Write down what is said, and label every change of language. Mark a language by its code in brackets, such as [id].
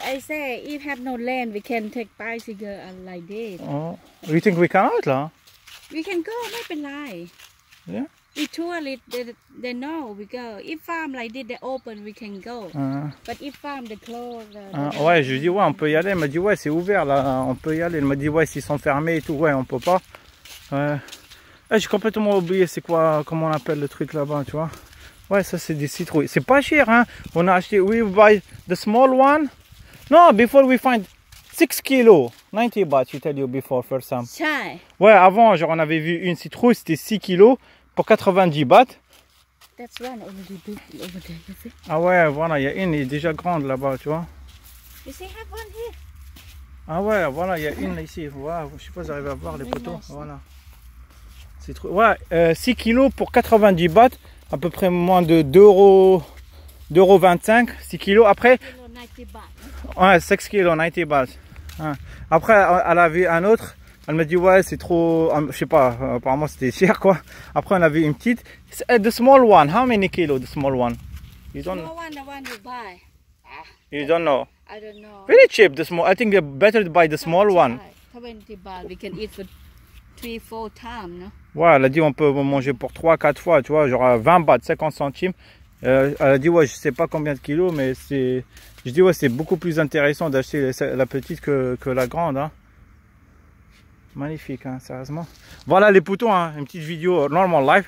[en] I say, if have no land, we can take bicycle like this. Oh, you think we can out là? We can go, not be lie. Yeah. We tour it, they know we go. If farm like this, they open, we can go. But if farm the closed. [fr] Ouais, je dis ouais, on peut y aller. Elle m'a dit ouais, c'est ouvert là, on peut y aller. Elle m'a dit ouais, s'ils sont fermés et tout, ouais, on peut pas. Ouais. J'ai complètement oublié c'est quoi, comment on appelle le truc là-bas, tu vois? Ouais, ça c'est des citrouilles. C'est pas cher, hein. On a acheté, [en] we buy the small one. No, before we find 6 kilos. 90 bahts, you tell you before, for some. [th] Chai. [fr] Ouais, avant, genre, on avait vu une citrouille, c'était 6 kilos pour 90 bahts. [en] That's one already big over there, you see. [fr] Ah ouais, voilà, il y a une, est déjà grande là-bas, tu vois. [en] You see, have one here. [fr] Ah ouais, voilà, il y a une ici. Ouais, wow, je sais pas si j'arrive à voir les poteaux. Nice. Voilà. Citrouille. Ouais, 6 kilos pour 90 bahts. À peu près moins de 2,25 euros, 6 kilos. Après, 6 kilos, 90 bahts. Après, elle a vu un autre. Elle m'a dit, ouais, c'est trop. Je sais pas, apparemment c'était cher quoi. Après, on a vu une petite. [en] The small one, how many kilos, the small one? You don't know. The one you buy. You don't know. I don't know. Very cheap, the small. I think they're better to buy the small one. 20 bahts, we can eat for 3-4 times, no? [fr] Ouais, elle a dit on peut manger pour 3-4 fois, tu vois, genre 20 bahts, 50 centimes. Elle a dit ouais, je sais pas combien de kilos, mais c'est. Je dis ouais, c'est beaucoup plus intéressant d'acheter la petite que la grande. Hein. Magnifique, hein, sérieusement. Voilà les poteaux, hein, une petite vidéo normal life.